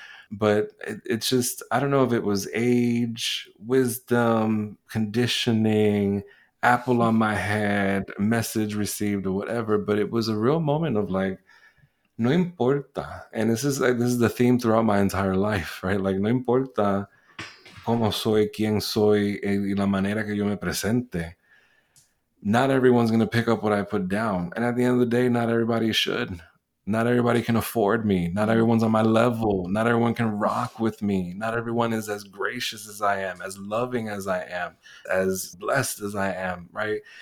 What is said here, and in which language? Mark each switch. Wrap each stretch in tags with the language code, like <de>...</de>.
<en>But it's just, I don't know if it was age, wisdom, conditioning, apple on my head, message received or whatever, but it was a real moment of like,</en> <es>no importa.</es> <en>And this is the theme throughout my entire life, right?</en> <es>Like, no importa cómo soy, quién soy, y la manera que yo me presente.</es> <en>Not everyone's going to pick up what I put down. And at the end of the day, not everybody should. Not everybody can afford me. Not everyone's on my level. Not everyone can rock with me. Not everyone is as gracious as I am, as loving as I am, as blessed as I am, right?</en>